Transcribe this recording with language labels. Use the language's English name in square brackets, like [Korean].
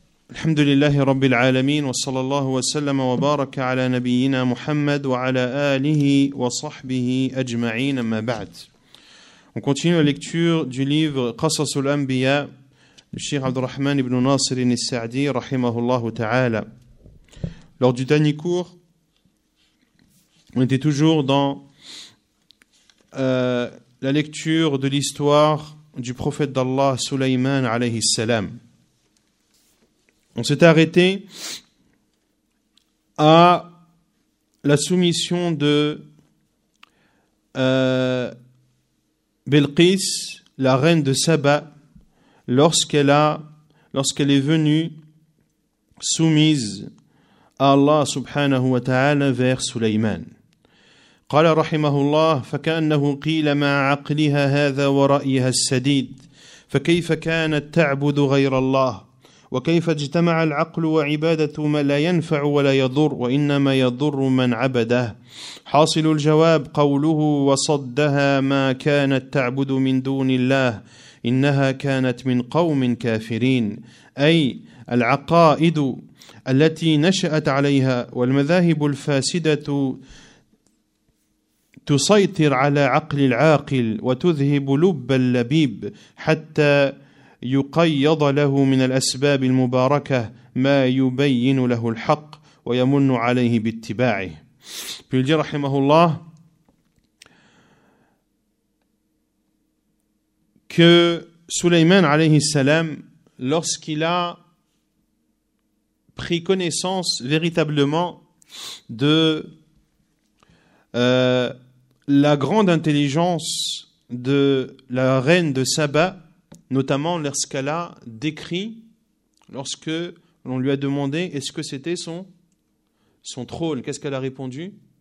[Arabic] الحمد لله رب العالمين وصلى الله وسلم وبارك على نبينا محمد وعلى آله وصحبه أجمعين أما بعد. [French] On continue la lecture du livre [Arabic] قصص الأنبياء للشيخ عبد الرحمن بن ناصر السعدي رحمه الله تعالى. [French] Lors du dernier cours, on était toujours dans la lecture de l'histoire du prophète d'Allah Sulaiman [Arabic] alayhi salam. [French] On s'est arrêté à la soumission de Bilqis, la reine de Saba, lorsqu'elle est venue soumise à Allah [Arabic] subhanahu wa ta'ala [French] vers Sulayman. [Arabic] قال رحمه الله فكأنه قيل ما عقلها هذا ورأيها السديد فكيف كانت تعبد غير الله وكيف اجتمع العقل وعبادة ما لا ينفع ولا يضر وإنما يضر من عبده حاصل الجواب قوله وصدها ما كانت تعبد من دون الله إنها كانت من قوم كافرين أي العقائد التي نشأت عليها والمذاهب الفاسدة تسيطر على عقل العاقل وتذهب لب اللبيب حتى يقيض له من الأسباب المباركة ما يبين له الحق ويمن عليه باتباعه. [French] Puis il dit [Arabic] رحمه الله [French] que Sulaiman [Arabic] عليه السلام [French] lorsqu'il a pris connaissance véritablement de la grande intelligence de la reine de Saba, notamment lorsqu'elle a décrit, lorsque l'on lui a demandé est-ce que c'était son trône, qu'est-ce qu'elle a répondu ?